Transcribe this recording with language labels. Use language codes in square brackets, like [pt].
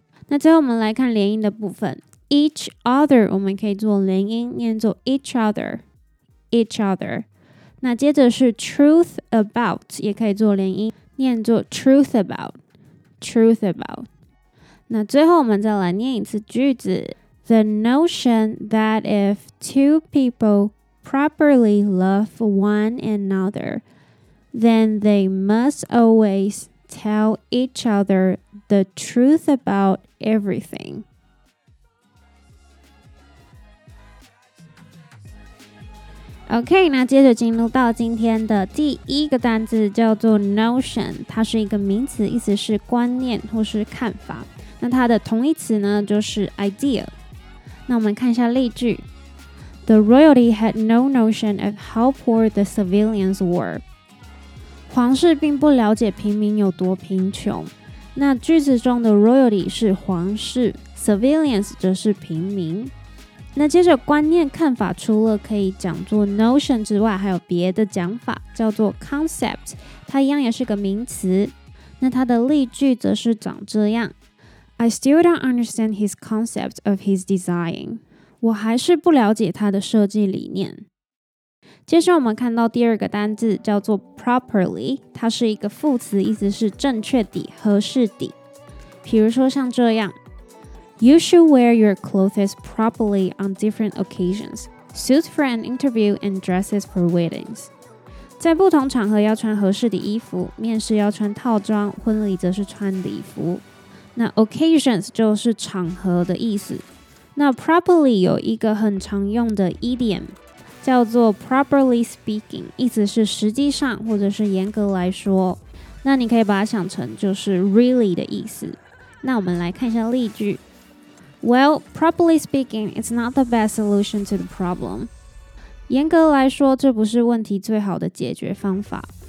[zh] 那最后我们来看连音的部分 ，each other 我们可以做连音，念作 each other， each other。那接着是 truth about 也可以做连音，念作 truth about， truth about。那最后我们再来念一次句子。 [en] The notion that if two people properly love one another, then they must always tell each other the truth about everything. [zh] OK, 那接着进入到今天的第一个单字叫做 notion, 它是一个名词，意思是观念或是看法。那它的同义词呢，就是 idea。那我们看一下例句。 [en] The royalty had no notion of how poor the civilians were. [zh] 皇室并不了解平民有多贫穷。那句子中的 royalty 是皇室， civilians 则是平民。那接着观念看法除了可以讲作 notion 之外，还有别的讲法叫做 concept， 它一样也是个名词。那它的例句则是长这样。 [en] I still don't understand his concept of his design. [zh] 我还是不了解他的设计理念。接着我们看到第二个单字叫做 properly， 它是一个副词，意思是正确的、合适的。比如说像这样 [en] ，You should wear your clothes properly on different occasions. Suits for an interview and dresses for weddings. [zh] 在不同场合要穿合适的衣服，面试要穿套装，婚礼则是穿礼服。那 occasions 就是场合的意思。那 properly 有一个很常用的 idiom， 叫做 properly speaking， 意思是实际上或者是严格来说。那你可以把它想成就是 really 的意思。那我们来看一下例句。 [en] Well, properly speaking, it's not the best solution to the problem. [zh] 严格来说，这不是问题最好的解决方法。